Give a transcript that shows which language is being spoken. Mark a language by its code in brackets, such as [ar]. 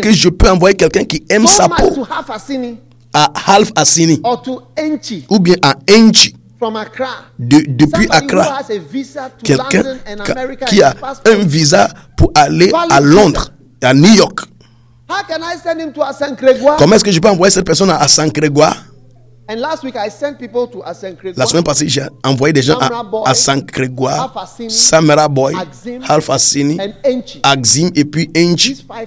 [fr] que je peux envoyer quelqu'un qui aime [en] so [fr] sa peau [en] to half a sini, [fr] à half a sini [en] or to enchi, [fr] ou bien à enchi [en] from Accra. [fr] Depuis [en] somebody [fr] Accra [en] who has a visa to [fr] quelqu'un [en] London and America [fr] qui a un visa pour aller à Londres à New York. [en] How can I send him to Saint Grégoire? [fr] Comment est-ce que je peux envoyer cette personne à Saint Grégoire? [en] And last week I sent people to Asankrégoire. [fr] La semaine passée, j'ai envoyé des gens Samra à Asankrégoire, Samra Boy, Half Asini, Axim et puis Enchi.